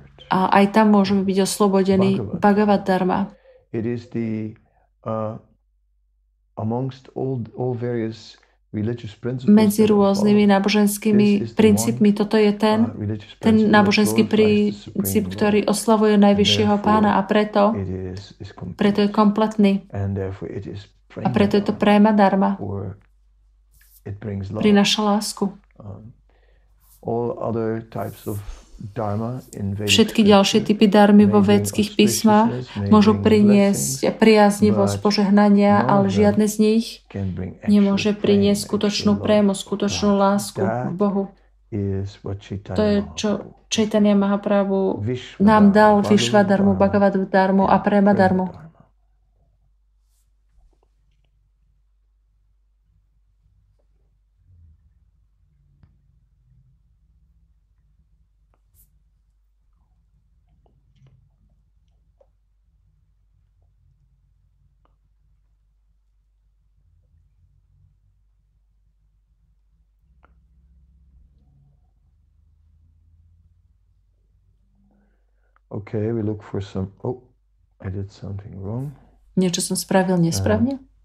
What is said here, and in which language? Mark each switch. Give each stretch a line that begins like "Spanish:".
Slovak: A aj tam môžeme byť oslobodení Bhagavad Dharma.
English: It is the amongst all various religious principles.
Slovak: Medzi rôznymi náboženskými princípmi toto je ten náboženský princíp, ktorý oslavuje najvyššieho Pána a preto je kompletný. A preto je to prema dharma. Prináša lásku.
English: All other types of dharma,
Slovak: všetky ďalšie typy dharmy vo vedských písmach môžu priniesť priaznivosť, požehnania, ale žiadne z nich nemôže priniesť skutočnú prému, skutočnú lásku k Bohu. To je, čo Chaitanya Mahaprabhu nám dal, Vishvadharmu, Bhagavad dharmu a prema dharmu.
English: Okay, we look for some. Oh, I did something wrong.
Slovak: Niečo som spravil nesprávne?